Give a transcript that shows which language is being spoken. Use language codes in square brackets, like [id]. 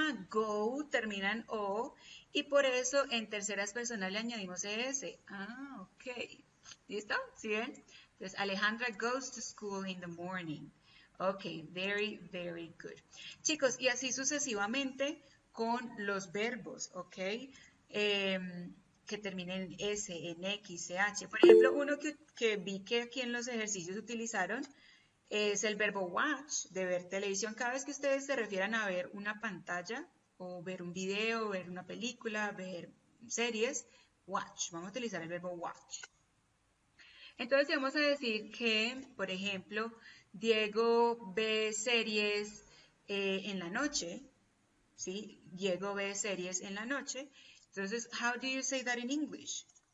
[es] Go termina en O y por eso en terceras personas le añadimos ES. Okay. ¿Listo? ¿Sí ven? [en] Entonces Alejandra goes to school in the morning. Okay, very, very good. [es] Chicos, y así sucesivamente con los verbos, ¿ok? Que terminen en S, en X, CH. Por ejemplo, uno que vi que aquí en los ejercicios utilizaron es el verbo watch, de ver televisión. Cada vez que ustedes se refieran a ver una pantalla o ver un video, ver una película, ver series, Watch. Vamos a utilizar el verbo watch. Entonces, si vamos a decir que, por ejemplo, Diego ve series en la noche, ¿sí? Diego ve series en la noche. [en] Entonces, how do you say that in English?